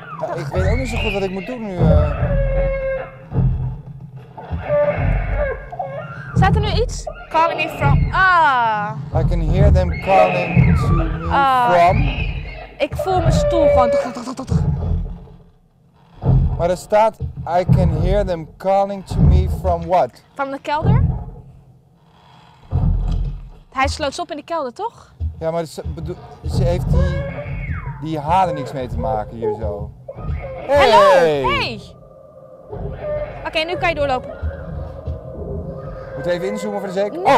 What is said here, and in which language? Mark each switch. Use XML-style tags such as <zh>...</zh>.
<nl>Ja, ik weet ook niet zo goed wat ik moet doen nu. Staat er nu iets?</nl> <en>Calling me from...</en> <nl>Ah!</nl> <en>I can hear them calling to me from...</en> <nl>Ik voel mijn stoel gewoon... Maar er staat...</nl> <en>I can hear them calling to me from what?</en> <nl>Van de kelder? Hij sloot ze op in de kelder, toch? Ja, maar ze heeft die halen niks mee te maken hier zo. Hey! Hallo! Hey! Oké, nu kan je doorlopen. Moet even inzoomen voor de zekerheid.</nl>